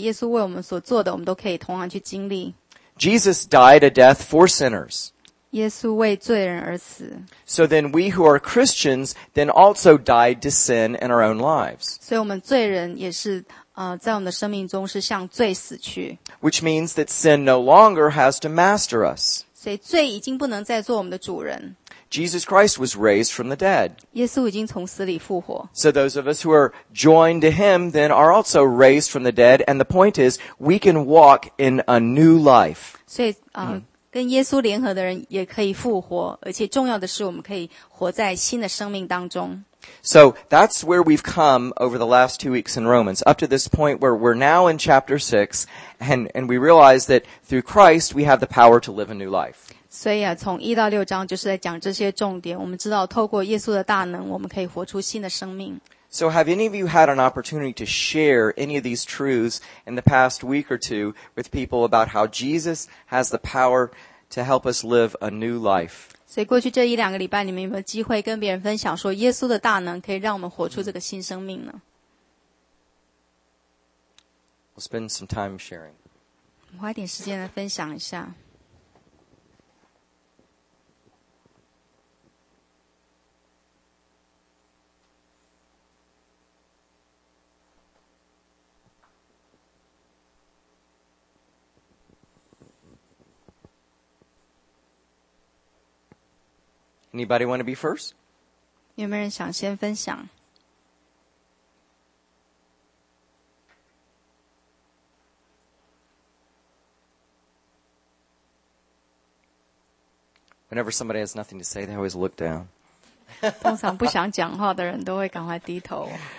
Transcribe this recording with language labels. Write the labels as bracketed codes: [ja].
[zh] 所以第六章说我们已经与基督联合，所以耶稣为我们所做的，我们都可以同样去经历。 [en] Jesus died a death for sinners. [zh] 耶稣为罪人而死。 [en] So then we who are Christians then also died to sin in our own lives. [zh] 所以我们罪人也是在我们的生命中是向罪死去。 [en] Which means that sin no longer has to master us. [zh] 所以罪已经不能再做我们的主人。 [en] Jesus Christ was raised from the dead. [zh] 耶稣已经从死里复活。 [en] So those of us who are joined to Him then are also raised from the dead, and the point is, we can walk in a new life. [zh] 所以跟耶稣联合的人也可以复活，而且重要的是我们可以活在新的生命当中。 [en] So that's where we've come over the last 2 weeks in Romans, up to this point where we're now in chapter 6, and we realize that through Christ we have the power to live a new life. [zh] 所以啊，从一到六章就是在讲这些重点。我们知道，透过耶稣的大能，我们可以活出新的生命。 [en] So have any of you had an opportunity to share any of these truths in the past week or two with people about how Jesus has the power to help us live a new life? [zh] 所以过去这一两个礼拜，你们有没有机会跟别人分享说耶稣的大能可以让我们活出这个新生命呢？ [en] We'll spend some time sharing. [zh] 我花一点时间来分享一下。 [en] Anybody want to be first? [zh] 有没有人想先分享？ [en] Whenever somebody has nothing to say, they always look down. [zh] 通常不想讲话的人都会赶快低头。